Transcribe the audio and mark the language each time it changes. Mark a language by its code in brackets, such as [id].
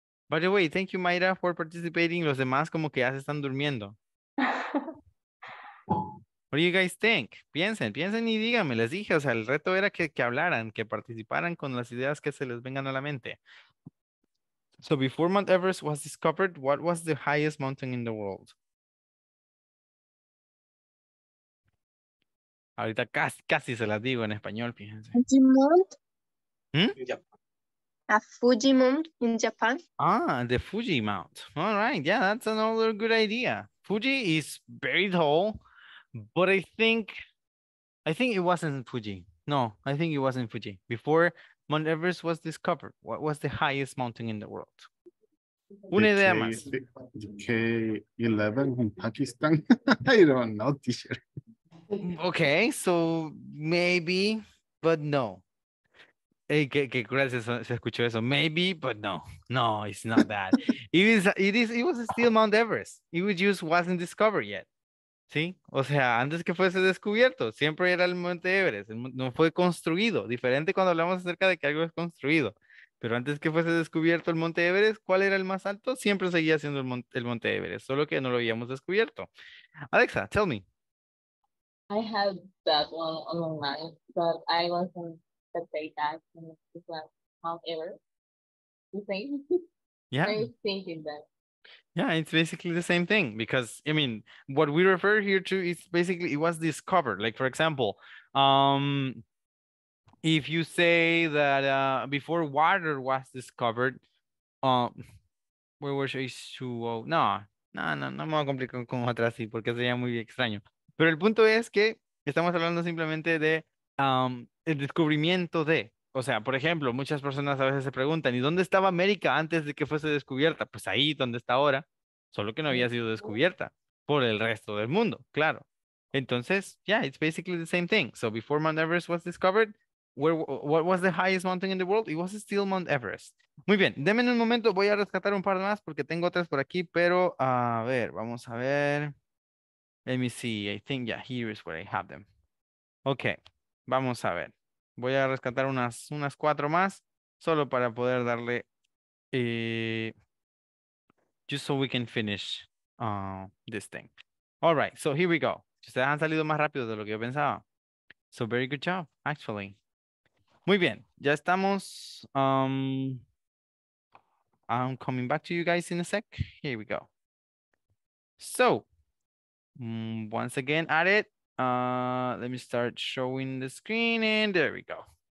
[en] By the way, thank you, Mayra, for participating. [es] Los demás como que ya se están durmiendo. [en] What do you guys think? [es] Piensen y díganme. Les dije, o sea, el reto era que hablaran, que participaran con las ideas que se les vengan a la mente. [en] So before Mount Everest was discovered, what was the highest mountain in the world? [es] Ahorita casi se las digo en español, fíjense. [en] A Fuji Mount in Japan. Ah, the Fuji Mount. All right. Yeah, that's another good idea. Fuji is very tall, but I think it wasn't Fuji. No, I think it wasn't Fuji. Before Mount Everest was discovered, what was the highest mountain in the world? [es] Una idea más. [en] K11 in Pakistan. I don't know, teacher. Okay, so maybe, but no. Hey, [es] que gracias, se escuchó eso. [en] Maybe, but no, it's not that. it was still Mount Everest. It just wasn't discovered yet. ¿Sí? [es] O sea, antes que fuese descubierto, siempre era el Monte Everest. No fue construido. Diferente cuando hablamos acerca de que algo es construido. Pero antes que fuese descubierto el Monte Everest, ¿cuál era el más alto? Siempre seguía siendo el Monte Everest, solo que no lo habíamos descubierto. [en] Alexa, tell me. I have that one on my mind, but I wasn't. That they died from Mount Everest. You think? Yeah. I was thinking that. Yeah, it's basically the same thing because, I mean, what we refer here to is basically it was discovered. Like, for example, if you say that before water was discovered, Where were you? [es] No, me voy a complicar con otra así porque sería muy extraño. Pero el punto es que estamos hablando simplemente de el descubrimiento de. O sea, por ejemplo, muchas personas a veces se preguntan, ¿y dónde estaba América antes de que fuese descubierta? Pues ahí, donde está ahora, solo que no había sido descubierta por el resto del mundo, claro. [en] Entonces, yeah, it's basically the same thing. So before Mount Everest was discovered, what was the highest mountain in the world? It was still Mount Everest. [es] Muy bien, denme un momento, voy a rescatar un par más porque tengo otras por aquí, pero a ver, vamos a ver. [en] Let me see, I think, yeah, here is where I have them. [es] Okay, vamos a ver. Voy a rescatar unas cuatro más, solo para poder darle, [en] just so we can finish this thing. All right, so here we go. [es] Ustedes han salido más rápido de lo que yo pensaba. [en] So very good job, actually. [es] Muy bien, ya estamos. [en] I'm coming back to you guys in a sec. Here we go. So, once again, at it. Let me start showing the screen, and there we go.